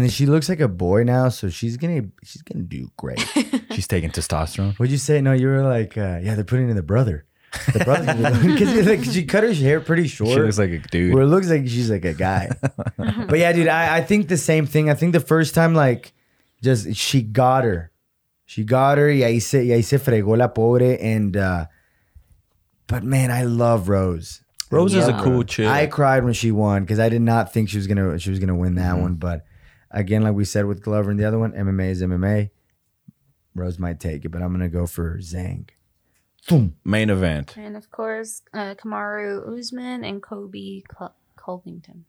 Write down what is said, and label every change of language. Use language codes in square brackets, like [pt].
[en] And then she looks like a boy now, so she's gonna do great. She's taking testosterone. Would you say no? You were like, they're putting in the brother, because she cut her hair pretty short. She looks like a dude. Where it looks like she's like a guy. But yeah, dude, I think the same thing. I think the first time, like, just she got her. [es] Y ahí se fregó la pobre and. [en] But man, I love Rose. Rose is a cool chick. I cried when she won because I did not think she was gonna win that mm-hmm. one. But again, like we said with Glover and the other one, MMA is MMA. Rose might take it, but I'm gonna go for Zhang. Boom. Main event. And of course, Kamaru Usman and Kobe Covington.